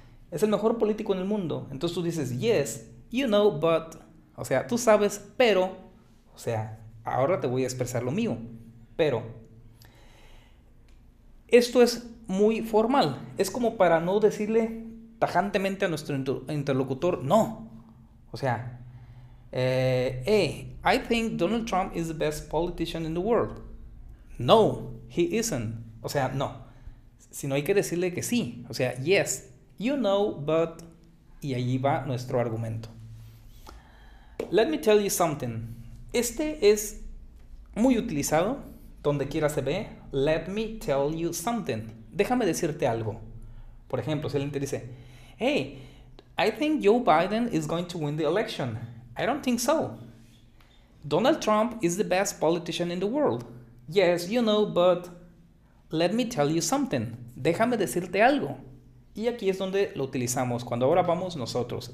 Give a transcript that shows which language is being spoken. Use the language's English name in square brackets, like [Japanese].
[Spanish] Es el mejor político en el mundo. Entonces tú dices, [English] yes, you know, but. [Spanish] O sea, tú sabes, pero. O sea, ahora te voy a expresar lo mío. Pero. Esto es muy formal. Es como para no decirle tajantemente a nuestro interlocutor, no. O sea, [English] I think Donald Trump is the best politician in the world. No, he isn't. [Spanish] O sea, no. Sino hay que decirle que sí. O sea, [English] yes, you know, but. [Spanish] Y allí va nuestro argumento. [English] Let me tell you something. [Spanish] Este es muy utilizado. Donde quiera se ve. [English] Let me tell you something. [Spanish] Déjame decirte algo. Por ejemplo, si alguien te dice, hey. [English] I think Joe Biden is going to win the election. I don't think so. Donald Trump is the best politician in the world. Yes, you know, but let me tell you something. [Spanish] Déjame decirte algo. Y aquí es donde lo utilizamos cuando ahora vamos nosotros.